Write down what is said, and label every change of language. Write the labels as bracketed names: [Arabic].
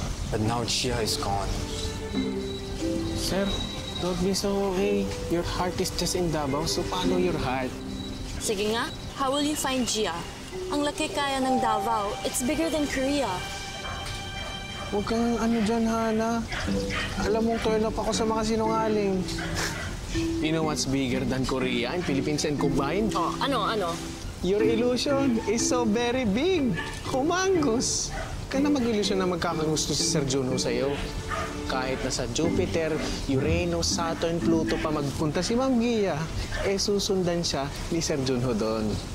[English] But now Jia is gone. Sir, don't be so okay. Your heart is just in Davao, so follow your heart. [Filipino] Sige nga, [English] how will you find Jia? [Filipino] Ang laki kaya ng Davao, [English] it's bigger than Korea. [Filipino] Huwag kang ano dyan, Hana. Alam mong turn up ako sa mga sinungaling. [English] You know what's bigger than Korea and Philippines and combined? [Filipino] Oh, ano? [English] Your illusion is so very big. Humangus. [Filipino] Kaya na mag-illusion na magkakagusto si Sir Juno sa'yo. Kahit nasa Jupiter, Uranus, Saturn, Pluto pa magpunta si Ma'am Gia, eh susundan siya ni Sir Juno doon.